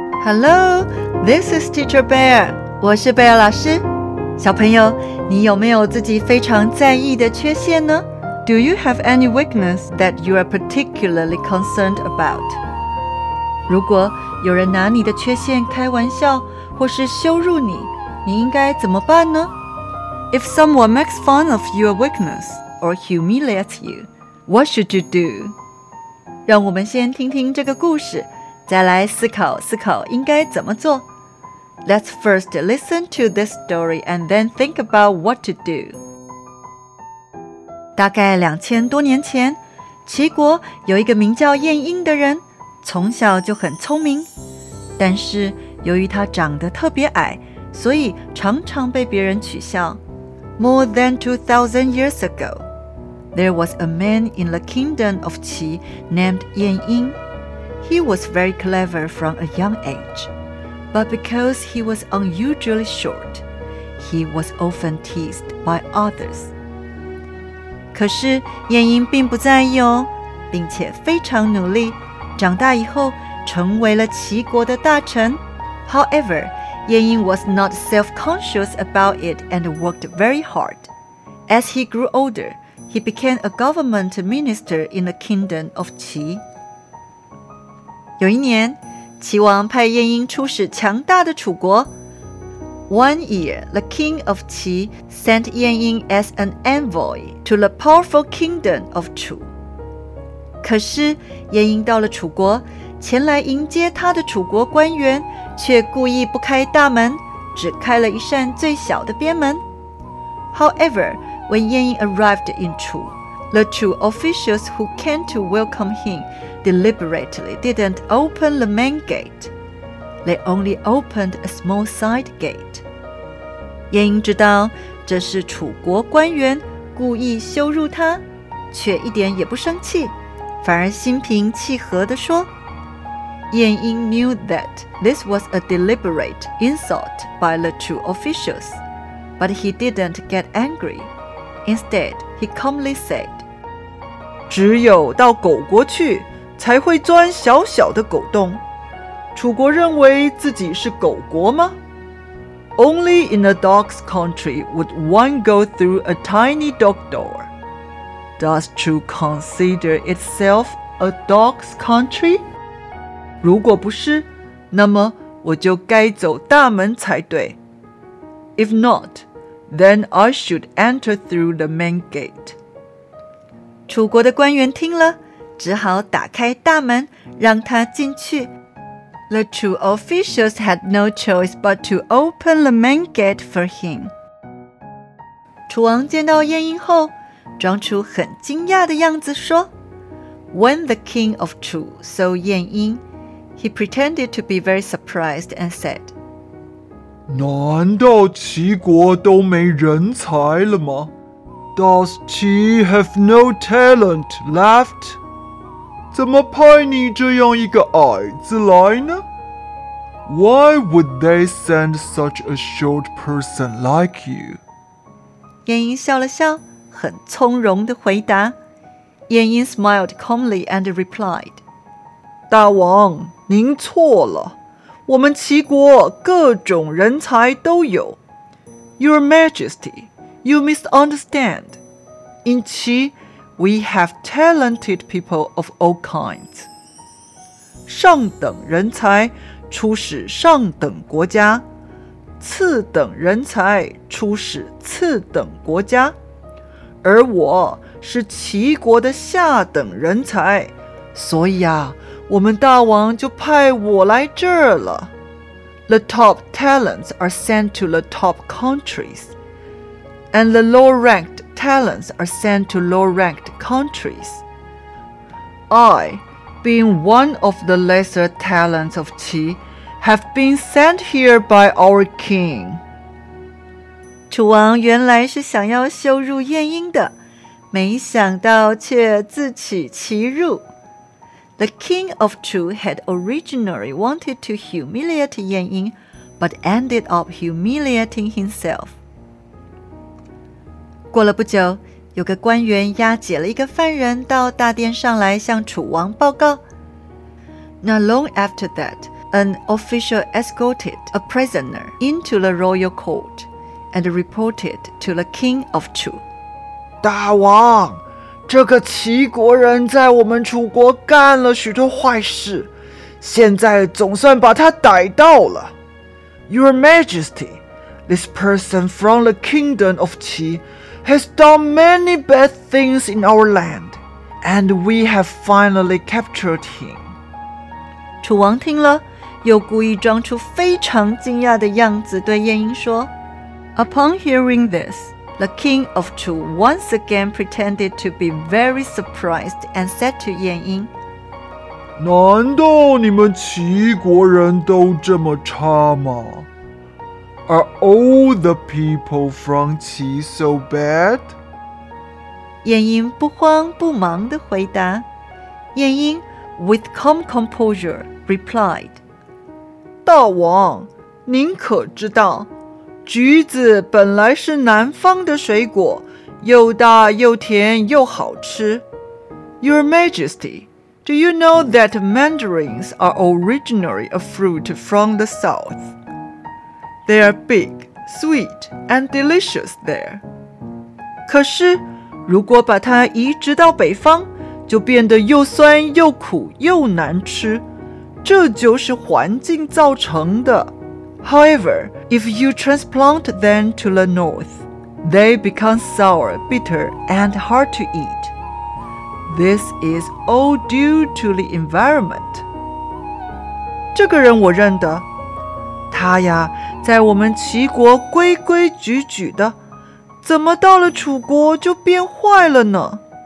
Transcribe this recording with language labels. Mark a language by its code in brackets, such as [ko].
[en] Hello, this is Teacher Bear. [zh] 我是贝尔老师。小朋友，你有没有自己非常在意的缺陷呢？ [en] Do you have any weakness that you are particularly concerned about? [zh] 如果有人拿你的缺陷开玩笑或是羞辱你，你应该怎么办呢？ [en] If someone makes fun of your weakness or humiliates you, what should you do? [zh] 让我们先听听这个故事，再来思考思考应该怎么做。 [en] Let's first listen to this story and then think about what to do. [zh] 大概2000多年前，齐国有一个名叫晏婴的人，从小就很聪明，但是由于他长得特别矮，所以常常被别人取笑。 [en] More than 2,000 years ago, there was a man in the kingdom of Qi named Yan Ying. He was very clever from a young age, but because he was unusually short, he was often teased by others. [zh] 可是晏婴并不在意哦，并且非常努力，长大以后成为了齐国的大臣。 [en] However, Yan Ying was not self-conscious about it and worked very hard. As he grew older, he became a government minister in the kingdom of Qi. [zh] 有一年，齐王派晏婴出使强大的楚国。 [en] One year, the king of Qi sent Yan Ying as an envoy to the powerful kingdom of Chu. [zh] 可是晏婴到了楚国，前来迎接他的楚国官员却故意不开大门，只开了一扇最小的边门。 [en] However, when Yan Ying arrived in Chu, the Chu officials who came to welcome him deliberately didn't open the main gate. They only opened a small side gate. [zh] Yan Ying 知道这是楚国官员故意羞辱他，却一点也不生气，反而心平气和地说。 [en] Yan Ying knew that this was a deliberate insult by the Chu officials, but he didn't get angry. Instead, he calmly said, [zh] 只有到狗国去才会钻小小的狗洞。楚国认为自己是狗国吗？ [en] Only in a dog's country would one go through a tiny dog door. Does Chu consider itself a dog's country? [zh] 如果不是，那么我就该走大门才对。 [en] If not, then I should enter through the main gate. [zh] 楚国的官员听了，只好打开大门，让他进去。 [en] The Chu officials had no choice but to open the main gate for him. [zh] 楚王见到晏婴后，装出很惊讶的样子说 [en] When the king of Chu saw Yan Ying,He pretended to be very surprised and said, [zh] 难道齐国都没人才了吗? [en] Does Qi have no talent left? [zh] 怎么派你这样一个矮子来呢? [en] Why would they send such a short person like you? [zh] 晏婴笑了笑，很从容地回答。 [en] 晏婴 smiled calmly and replied, [zh] 大王您错了，我们齐国各种人才都有。 [en] Your Majesty, you misunderstand. In Qi, we have talented people of all kinds. [zh] 上等人才出使上等国家，次等人才出使次等国家，而我是齐国的下等人才，所以啊我们大王就派我来这儿了。 [en] The top talents are sent to the top countries, and the low-ranked talents are sent to low-ranked countries. I, being one of the lesser talents of Qi, have been sent here by our king. [zh] 楚王原来是想要羞辱晏婴的，没想到却自取其辱。 [en] The king of Chu had originally wanted to humiliate Yan Ying, but ended up humiliating himself. [zh] 过了不久，有个官员押解了一个犯人到大殿上来向楚王报告。 [en] Not long after that, an official escorted a prisoner into the royal court and reported to the king of Chu. [zh] 大王，这个齐国人在我们楚国干了许多坏事，现在总算把他逮到了。 [en] Your Majesty, this person from the kingdom of Qi has done many bad things in our land, and we have finally captured him. [zh] 楚王听了，又故意装出非常惊讶的样子对晏婴说， [en] Upon hearing this,The king of Chu once again pretended to be very surprised and said to Yan Ying, [zh] 难道你们齐国人都这么差吗? [en] Are all the people from Qi so bad? [zh] 晏婴不慌不忙地回答。 [en] 晏婴 with calm composure, replied, [zh] 大王,您可知道? 橘子本来是南方的水果，又大又甜又好吃。 [en] Your Majesty, do you know that mandarins are originally a fruit from the south? They are big, sweet, and delicious there. [zh] 可是，如果把它移植到北方，就变得又酸又苦又难吃。这就是环境造成的。 [en] However, if you transplant them to the north, they become sour, bitter, and hard to eat. This is all due to the environment. [zh] 这个人我认得，他呀，在我们齐国规规矩矩的，怎么到了楚国就变坏了呢？